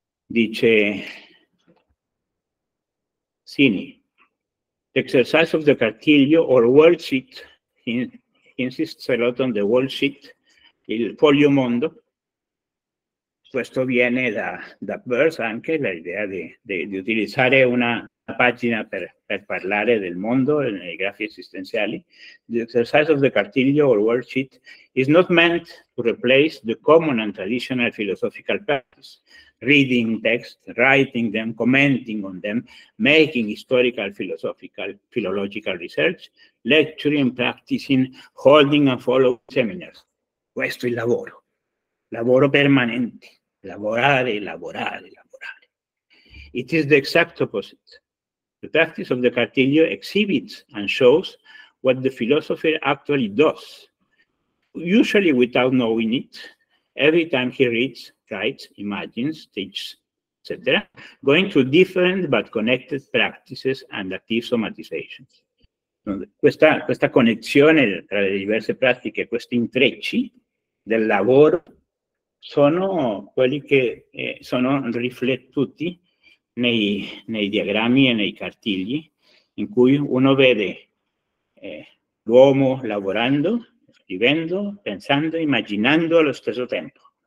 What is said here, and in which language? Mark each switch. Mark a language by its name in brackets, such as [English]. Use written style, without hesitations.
[English] Dice Sini, the exercise of the cartiglio or worksheet insists a lot on the worksheet, [Italian] il foglio mondo. Questo viene da Burse anche, l'idea di utilizzare una pagina per parlare del mondo nei grafi esistenziali. [English] The exercise of the cartiglio or worksheet is not meant to replace the common and traditional philosophical practice. Reading texts, writing them, commenting on them, making historical, philosophical, philological research, lecturing, practicing, holding and following seminars. [Italian] Questo è il lavoro. Lavoro permanente. Lavorare, lavorare, lavorare. [English] It is the exact opposite. The practice of the cartiglio exhibits and shows what the philosopher actually does, usually without knowing it, every time he reads, writes, imagines, teaches, etc., going to different but connected practices and active somatizations. [Italian] Questa connessione tra le diverse pratiche, questi intrecci del lavoro, sono quelli che sono riflettuti nei diagrammi e nei cartigli, in cui uno vede l'uomo lavorando, scrivendo, pensando, immaginando allo stesso tempo.